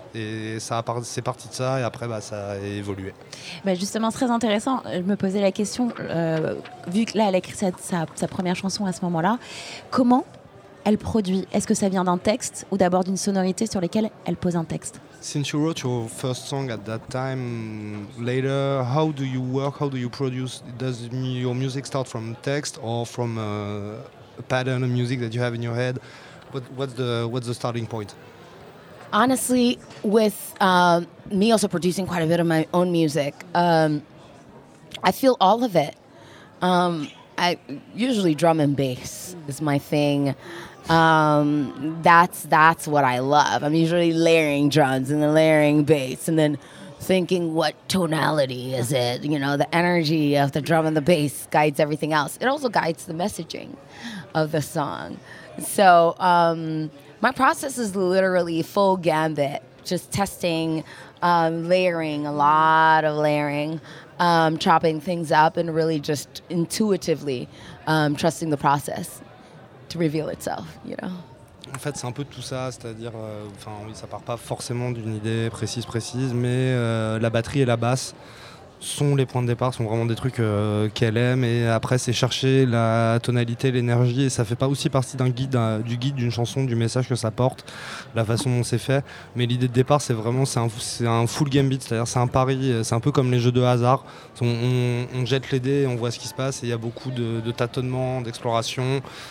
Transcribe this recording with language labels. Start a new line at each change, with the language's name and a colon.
French: Et ça a c'est parti de ça, et après, bah, ça a évolué. Bah justement, très intéressant. Je me posais la question, vu que là, elle a écrit sa première chanson à ce moment-là, comment elle produit ? Est-ce que ça vient d'un texte ou d'abord d'une sonorité sur laquelle elle pose un texte ?
English: Since you wrote your first song at that time, later, how do you work, how do you produce ? Does your music start from text or from... a pattern of music that you have in your head, what's the starting point? Honestly, with me also producing quite a bit of my own music, I feel all of it. I usually drum and bass is my thing. That's what I love. I'm usually layering drums and then layering bass and then thinking what tonality is it, you know, the energy of the drum and the bass guides everything else. It also guides the messaging of the song. So my process is literally full gambit, just testing, layering, a lot of layering, chopping things up and really just intuitively trusting the process to reveal itself, you know.
French: En fait, c'est un peu tout ça, c'est-à-dire, oui, ça part pas forcément d'une idée précise, mais la batterie et la basse sont les points de départ, sont vraiment des trucs qu'elle aime, et après, c'est chercher la tonalité, l'énergie, et ça fait pas aussi partie du guide d'une chanson, du message que ça porte, la façon dont c'est fait, mais l'idée de départ, c'est vraiment, c'est un full game beat, c'est-à-dire, c'est un pari, c'est un peu comme les jeux de hasard, on jette les dés, on voit ce qui se passe, et il y a beaucoup de tâtonnements, d'exploration.